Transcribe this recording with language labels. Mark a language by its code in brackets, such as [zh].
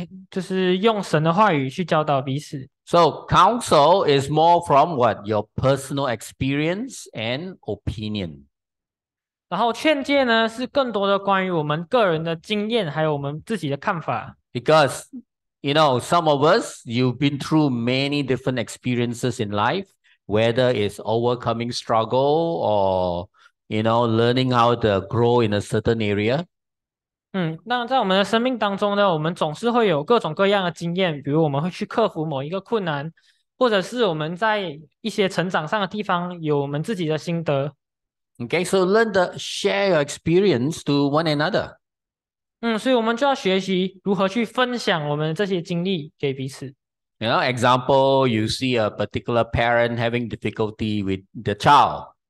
[zh] 所以我们这里刚刚提到过的教导就是用神的话语去教导彼此。 [en] So counsel is more from what? Your personal experience and opinion. [zh] 然后劝诫呢是更多的关于我们个人的经验还有我们自己的看法。 [en] Because, you know, some of us, you've been through many different experiences in life. Whether it's overcoming struggle or, you know, learning how to grow in a certain area. [zh] 那在我们的生命当中呢，我们总是会有各种各样的经验，比如我们会去克服某一个困难，或者是我们在一些成长上的地方有我们自己的心得。 [en] Okay, so learn to share your experience to one another. [zh] 所以我们就要学习如何去分享我们这些经历给彼此。 [en] You know, example, you see a particular parent having difficulty with the child.